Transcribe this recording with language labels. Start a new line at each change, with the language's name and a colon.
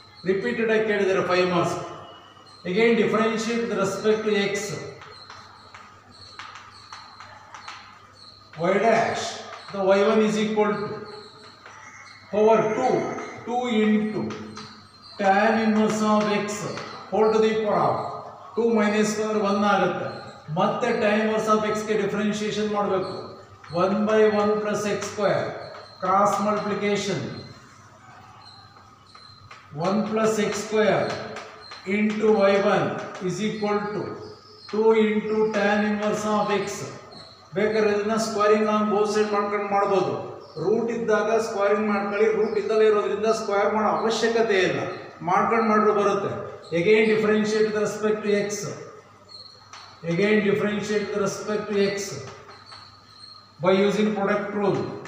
English: repeated
Kannada: ಆಗಿ ಕೇಳಿದರೆ
English: Five marks. Again differentiate with respect to x, y dash the y one is equal to power two, two into tan inverse of x whole to the power of two minus
Kannada: ಅಂದ್ರೆ
English: one
Kannada: ಆಗುತ್ತೆ. ಮತ್ತೆ tan inverse of ಎಕ್ಸ್ಗೆ differentiation ಮಾಡಬೇಕು.
English: 1 by 1 plus x square, cross multiplication, 1 plus x square into y1 is equal to 2 into tan inverse of x.
Kannada: ಬೇಕಾದ್ರೆ ಇದನ್ನ squaring ನಾವು
English: both side
Kannada: ಮಾಡ್ಕೊಂಡು ಮಾಡ್ಬೋದು. Root ಇದ್ದಾಗ ಸ್ಕ್ವೇರಿಂಗ್ ಮಾಡ್ಕೊಳ್ಳಿ, ರೂಟ್ ಇದ್ದಲ್ಲೇ ಇರೋದ್ರಿಂದ ಸ್ಕ್ವೇರ್ ಮಾಡೋ ಅವಶ್ಯಕತೆ ಇಲ್ಲ, ಮಾಡ್ಕೊಂಡು ಮಾಡಲು ಬರುತ್ತೆ.
English: Again differentiate with respect to x, again differentiate with respect to x by using product rule.